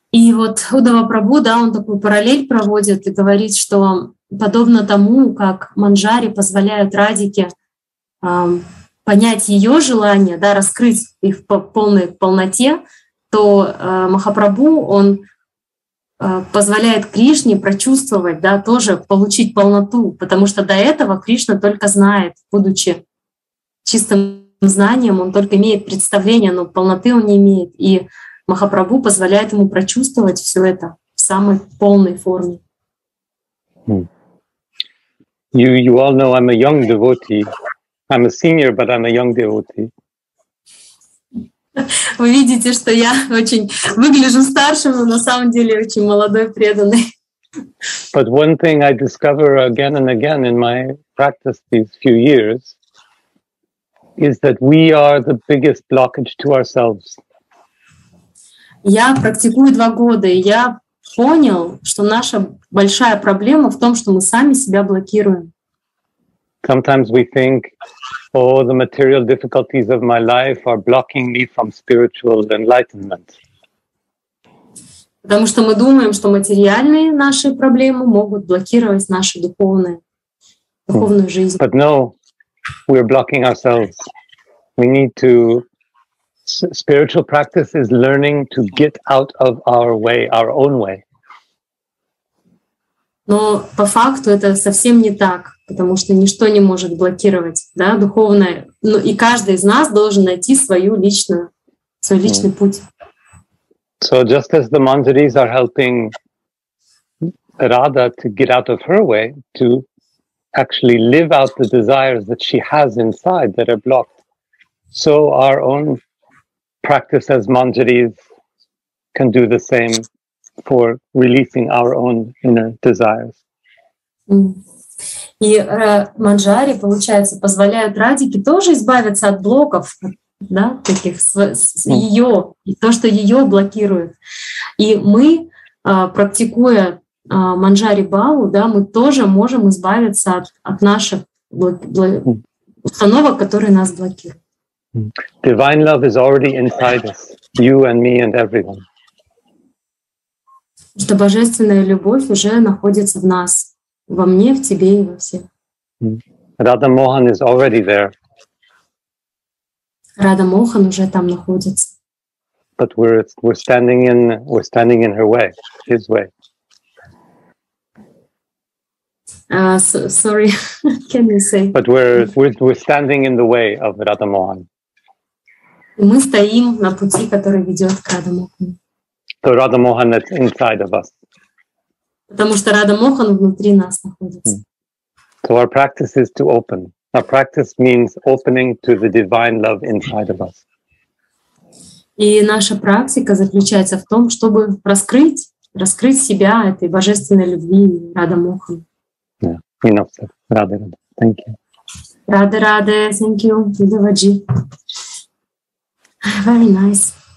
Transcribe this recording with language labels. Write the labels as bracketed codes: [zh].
[ru] И вот Удава Прабу, да, он такую параллель проводит и говорит, что подобно тому, как манджари позволяют радике понять ее желания, да, раскрыть их в полной полноте, то Махапрабу, он позволяет Кришне прочувствовать, да, тоже получить полноту, потому что до этого Кришна только знает, будучи чистым знанием, он только имеет представление, но полноты он не имеет. И Махапрабу позволяет ему прочувствовать все это в самой полной форме. [en] You all know I'm a young devotee. I'm a senior, but I'm a young devotee. [ru] Вы видите, что я очень выгляжу старшим, но на самом деле очень молодой преданный. [en] But one thing I discover again and again in my practice these few years is that we are the biggest blockage to ourselves. [ru] Я практикую 2 года, и я понял, что наша большая проблема в том, что мы сами себя блокируем. [en] Sometimes we think, oh, the material difficulties of my life are blocking me from spiritual enlightenment. [ru] Потому что мы думаем, что материальные наши проблемы могут блокировать нашу духовную жизнь. [en] But no, we're blocking ourselves. We need to... Spiritual practice is learning to get out of our way, our own way. [ru] Но по факту это совсем не так, потому что ничто не может блокировать, да, духовное. Ну, и каждый из нас должен найти свой личный путь. [en] So just as the manjaris are helping Radha to get out of her way, to actually live out the desires that she has inside that are blocked, so our own practice as manjaris can do the same for releasing our own inner desires. [ru] И манджари, получается, позволяют радике тоже избавиться от блоков, да, таких ее, то, что ее блокирует. И мы, практикуя манджари бау, да, мы тоже можем избавиться от наших установок, которые нас блокируют. [en] Divine love is already inside us, you and me and everyone. [ru] Что божественная любовь уже находится в нас, во мне, в тебе и во всех. [en] Radha Mohan is already there. [ru] Radha Mohan уже там находится. [en] But we're standing in her way, his way. Sorry, can you say? But we're standing in the way of Radha Mohan. [ru] Мы стоим на пути, который ведет к Radha Mohan. [en] So Radha Mohan is inside of us. [ru] Потому что Radha Mohan внутри нас находится. [en] So our practice is to open. Our practice means opening to the divine love inside of us. [ru] И наша практика заключается в том, чтобы раскрыть себя этой божественной любви Radha Mohan. [en] Yeah, enough said. Radha. Thank you. Radha. Thank you. Vidavaji. Very nice.